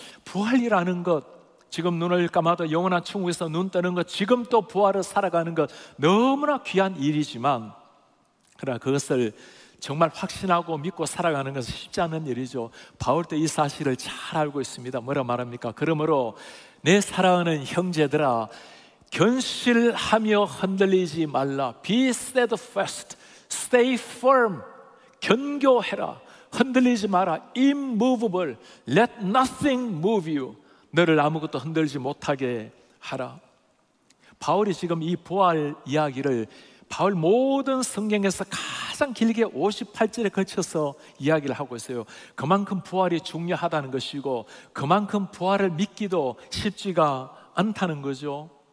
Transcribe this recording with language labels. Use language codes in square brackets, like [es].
[ko] 부활이라는 것, 지금 눈을 감아도 영원한 천국에서 눈 뜨는 것, 지금 또 부활을 살아가는 것, 너무나 귀한 일이지만 그러나 그것을 정말 확신하고 믿고 살아가는 것은 쉽지 않은 일이죠. 바울도 이 사실을 잘 알고 있습니다. 뭐라 말합니까? 그러므로 내 사랑하는 형제들아, 견실하며 흔들리지 말라. [en] Be steadfast, stay firm, [ko] 견교해라. 흔들리지 마라. [en] Immovable, let nothing move you. [ko] 너를 아무것도 흔들지 못하게 하라. 바울이 지금 이 부활 이야기를 바울 모든 성경에서 가장 길게 58절에 걸쳐서 이야기를 하고 있어요. 그만큼 부활이 중요하다는 것이고 그만큼 부활을 믿기도 쉽지가 않다는 거죠.